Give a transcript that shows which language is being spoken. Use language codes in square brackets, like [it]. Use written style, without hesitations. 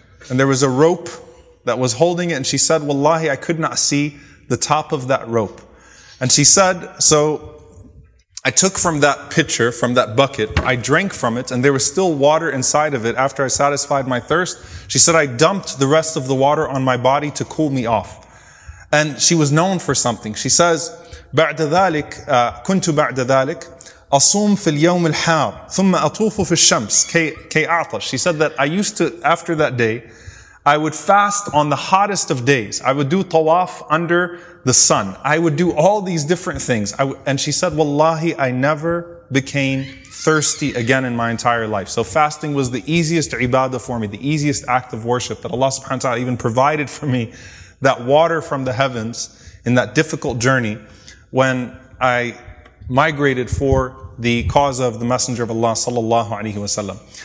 [en] And there was a rope that was holding it. And she said, Wallahi, I could not see the top of that rope. And she said, so I took from that pitcher, from that bucket, I drank from it, and there was still water inside of it after I satisfied my thirst. She said, I dumped the rest of the water on my body to cool me off. And she was known for something. She says, [ar] بعد ذلك كنت بعد ذلك أصوم في اليوم الحار ثم أطوف في الشمس كي أعطش. [en] She said that I used to, after that day, I would fast on the hottest of days. I would do tawaf under the sun. I would do all these different things. And she said, Wallahi, I never became thirsty again in my entire life. So fasting was the easiest ibadah for me, the easiest act of worship that Allah subhanahu wa ta'ala even provided for me, that water from the heavens in that difficult journey when I migrated for the cause of the Messenger of Allah sallallahu alayhi wa sallam.